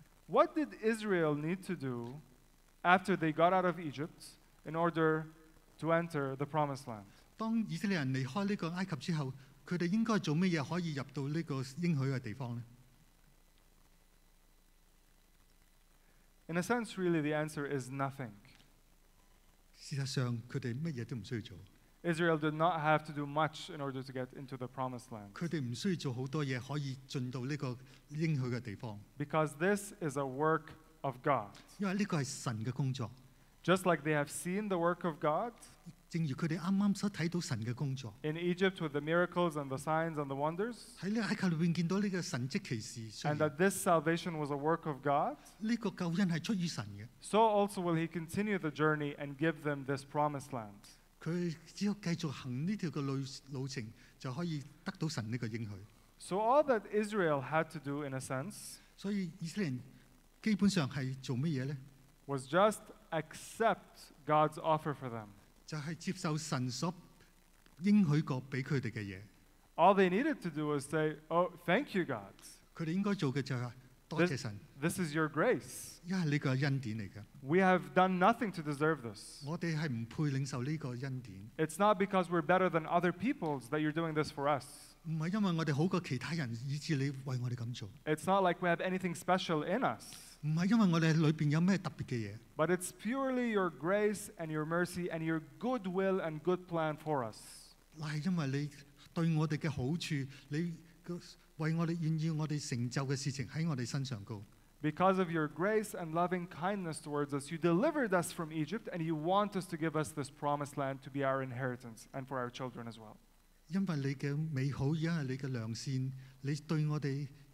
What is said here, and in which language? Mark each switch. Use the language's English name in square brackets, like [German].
[English] What did Israel need to do after they got out of Egypt in order to enter the Promised Land? [Chinese] 當以色列人離開呢個埃及之後, 他們應該做什麼可以入到這個應許的地方呢? [English] In a sense, really, the answer is nothing. [Chinese] 事實上,他們什麼都不需要做。 [English] Israel did not have to do much in order to get into the Promised Land. [Chinese] 他們不需要做很多事可以進到這個應許的地方。 [English] Because this is a work of God. [Chinese] 因為這是神的工作。 [English] Just like they have seen the work of God, [Chinese] 正如他們剛剛所看到神的工作, [English] in Egypt with the miracles and the signs and the wonders, [Chinese] 在埃及裡面見到這個神蹟奇事, [English] and that this salvation was a work of God, [Chinese] 這個救恩是出於神的, [English] so also will he continue the journey and give them this promised land. [Chinese] 他只要繼續行這條路程, 就可以得到神這個應許。 [English] So all that Israel had to do in a sense, [Chinese] 所以以色列人基本上是做什麼呢? [English] Was just accept God's offer for them. [Chinese] 就是接受神所应许过给他们的东西。 [English] All they needed to do was say, oh, thank you, God. [Chinese] 他们应该做的就是多谢神。 [English] This is your grace. [Chinese] 因为这个恩典来的。 [English] We have done nothing to deserve this. [Chinese] 我们是不配领受这个恩典。 [English] It's not because we're better than other peoples that you're doing this for us. [Chinese] 不是因为我们好过其他人,以致你为我们这样做。 [English] It's not like we have anything special in us. [Chinese] 不是因為我們裡面有什麼特別的東西, [English] but it's purely your grace and your mercy and your good will and good plan for us. [Chinese] 是因為你對我們的好處, [English] because of your grace and loving kindness towards us, you delivered us from Egypt and you want us to give us this promised land to be our inheritance and for our children as well. [Chinese] 因為你的美好,因為你的良善, 你對我們